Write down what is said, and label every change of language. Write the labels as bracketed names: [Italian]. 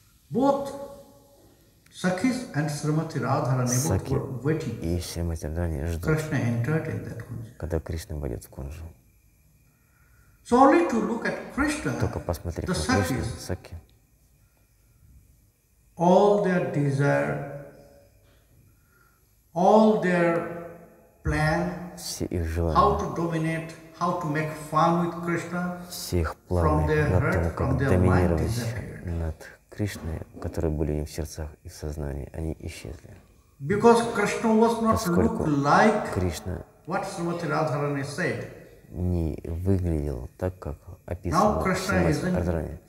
[English] Both Sakis and Shrimati Radharani both were waiting. [Russian] И Шримати Радхарани ждут. [English] Krishna entered in that kunja. [Russian] Когда Кришна войдет в кунжу. Только посмотреть на Кришну, Сакхи. [English] All their desire, all their plan, [Russian] все их желания, [English] how to dominate, how to make fun with Krishna, [Russian] все их планы [English] from their [Russian] на том, как доминировать над Кришной, которые были у них в сердцах и в сознании, они исчезли. [English] Because Krishna was not look like Krishna, what Srimati Radharani said. [Russian] Не выглядел так, как описывал Шримати Радхарани.